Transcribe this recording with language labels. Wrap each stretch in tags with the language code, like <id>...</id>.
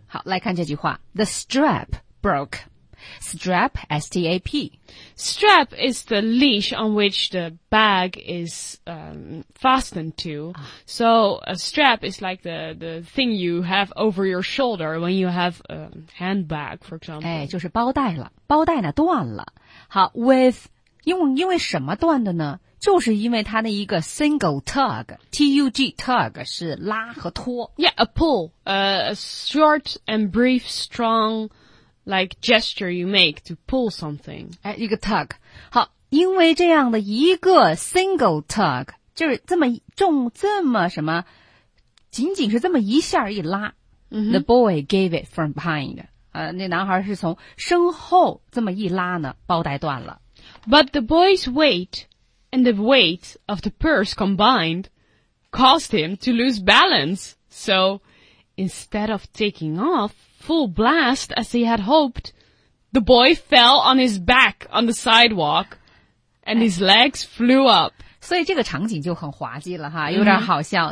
<zh>好，来看这句话。</zh> <en>The strap broke.</en> <zh>Strap, S-T-A-P.</zh> <en>Strap is the leash on which the bag is fastened to. So a strap is like the thing you have over your shoulder when you have a handbag, for example.</en> <zh>哎，就是包带了，包带呢断了。好 ，with 因为什么断的呢？就是因为它的一个</zh> <en>single tug,</en> <zh>T-U-G, tug 是拉和拖。</zh> <en>Yeah, a pull, a short and brief, strong, like gesture you make to pull something.</en> <zh>哎，一个 tug。好，因为这样的一个</zh> <en>single tug,</en> <zh>就是这么重这么什么，仅仅是这么一下一拉。 Mm-hmm.</zh> <en>The boy gave it from behind.</en> <zh>那男孩是从身后这么一拉呢，包带断了。</zh> <en>But the boy's weight,And the weight of the purse combined caused him to lose balance. So instead of taking off full blast as he had hoped, the boy fell on his back on the sidewalk and his legs flew up.</en> <zh>所以这个场景就很滑稽了哈，有点好笑。</zh>